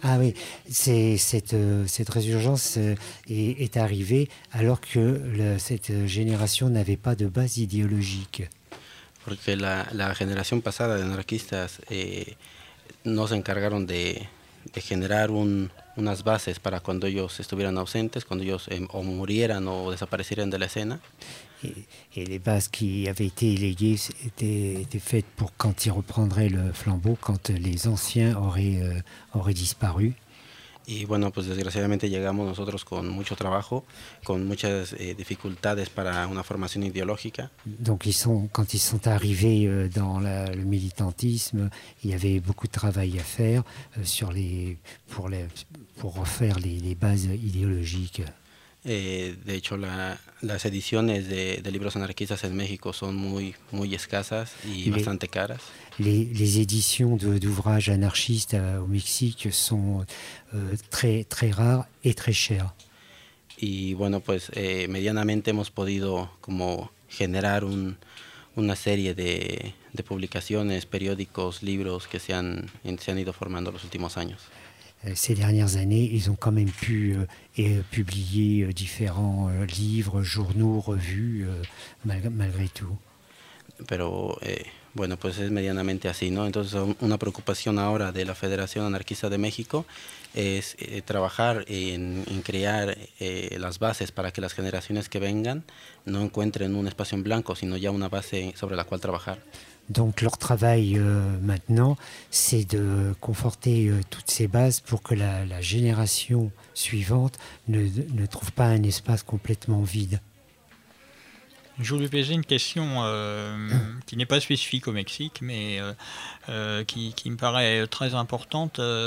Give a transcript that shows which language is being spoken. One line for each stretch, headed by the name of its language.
French: Ah oui, cette résurgence est arrivée alors que cette génération n'avait pas de base idéologique.
Spanish: Porque la generación pasada de anarquistas no se encargaron de generar unas bases para cuando ellos estuvieran ausentes, cuando ellos o murieran o desaparecieran de la escena.
French: Et les bases qui avaient été léguées étaient faites pour quand ils reprendraient le flambeau, quand les anciens auraient disparu.
Spanish: Y bueno, pues desgraciadamente llegamos nosotros con mucho trabajo, con muchas dificultades para una formación ideológica.
French: Donc quand ils sont arrivés dans le militantisme, il y avait beaucoup de travail à faire pour refaire les bases idéologiques.
Spanish: De hecho, las ediciones de libros anarquistas en México son muy, muy escasas y bastante caras.
French: Les éditions d'ouvrages anarchistes au Mexique sont très, très rares et très chères.
Spanish: Y bueno, pues medianamente hemos podido como generar una serie de publicaciones, periódicos, libros que se han ido formando los últimos años.
French: Ces dernières années, ils ont quand même pu publier différents livres, journaux, revues, malgré tout.
Spanish: Pero bueno, pues es medianamente así, ¿no? Entonces, una preocupación ahora de la Federación Anarquista de México es trabajar en crear las bases para que las generaciones que vengan no encuentren un espacio en blanco, sino ya una base sobre la cual trabajar.
French: Donc leur travail maintenant, c'est de conforter toutes ces bases pour que la génération suivante ne trouve pas un espace complètement vide. Je voulais poser une question qui n'est pas spécifique au Mexique, mais qui me paraît très importante.